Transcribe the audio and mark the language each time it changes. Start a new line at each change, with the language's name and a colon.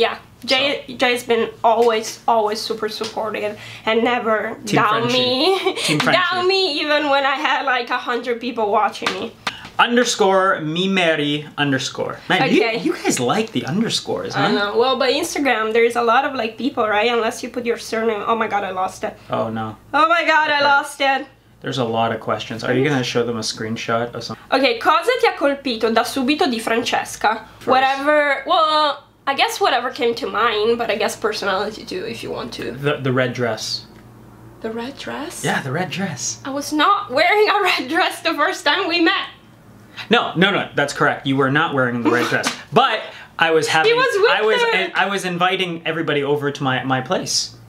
English: Yeah, Jay's been always, always super supportive and never down me even when I had like 100 people watching me. _mimeri_ Man, okay. you guys like the underscores, huh? I know. Well, by Instagram, there's a lot of like people, right? Unless you put your surname. Oh my god, I lost it. Oh no. Oh my god, okay. I lost it. There's a lot of questions. Are you gonna show them a screenshot or something?
Italian: Okay, cosa ti ha colpito da subito di Francesca?
English: First. Whatever. Well, I guess whatever came to mind, but I guess personality too, if you want to. The red dress. The red dress? Yeah, the red dress. I was not wearing a red dress the first time we met. No, that's correct. You were not wearing the red dress. But I was having I was inviting everybody over to my place.